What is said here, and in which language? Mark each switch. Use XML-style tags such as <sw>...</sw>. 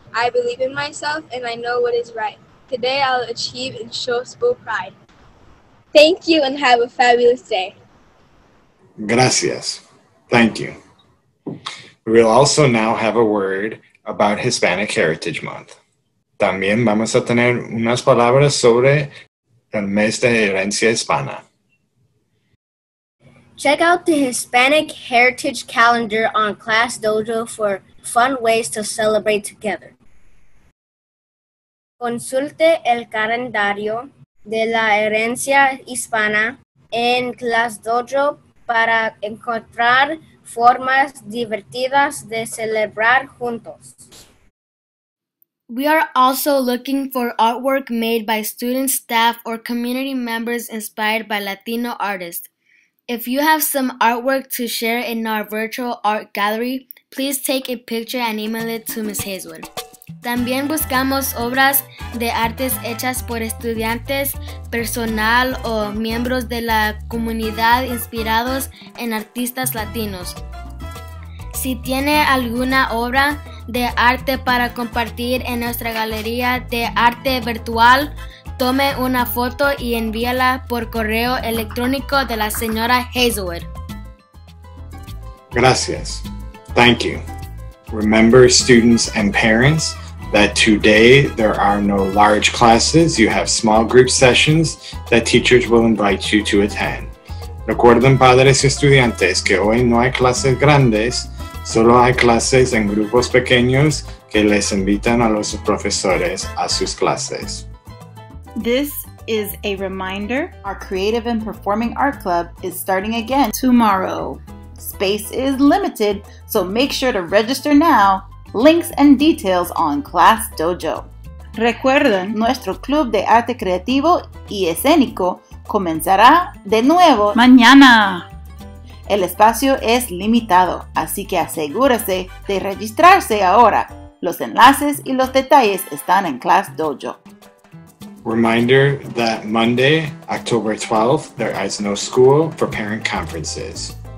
<en>I believe in myself and I know what is right. Today I'll achieve and show school pride. Thank you and have a fabulous day.</en> <es>Gracias.</es> <en>Thank you. We'll also now have a word about Hispanic Heritage Month.</en> <es>También vamos a tener unas palabras sobre el mes de herencia hispana.</es> <en>Check out the Hispanic Heritage Calendar on Class Dojo for fun ways to celebrate together.</en> <es>Consulte el calendario de la herencia hispana en Class Dojo para encontrar formas divertidas de celebrar juntos.</es> <en>We are also looking for artwork made by students, staff, or community members inspired by Latino artists. If you have some artwork to share in our virtual art gallery, please take a picture and email it to Ms. Hazelwood.</en> <es>También buscamos obras de artes hechas por estudiantes, personal o miembros de la comunidad inspirados en artistas latinos. Si tiene alguna obra de arte para compartir en nuestra galería de arte virtual, tome una foto y envíala por correo electrónico de la señora Hazelwood. Gracias.</es> <en>Thank you. Remember, students and parents, that today there are no large classes. You have small group sessions that teachers will invite you to attend.</en> <es>Recuerden, padres y estudiantes, que hoy no hay clases grandes. Solo hay clases en grupos pequeños que les invitan a los profesores a sus clases.</es> <en>This is a reminder. Our Creative and Performing Art Club is starting again tomorrow. Space is limited, so make sure to register now. Links and details on Class Dojo.</en> <es>Recuerden, nuestro Club de Arte Creativo y Escénico comenzará de nuevo mañana. El espacio es limitado, así que asegúrese de registrarse ahora. Los enlaces y los detalles están en Class Dojo.</es> <en>Reminder that Monday, October 12th, there is no school for parent conferences.</en>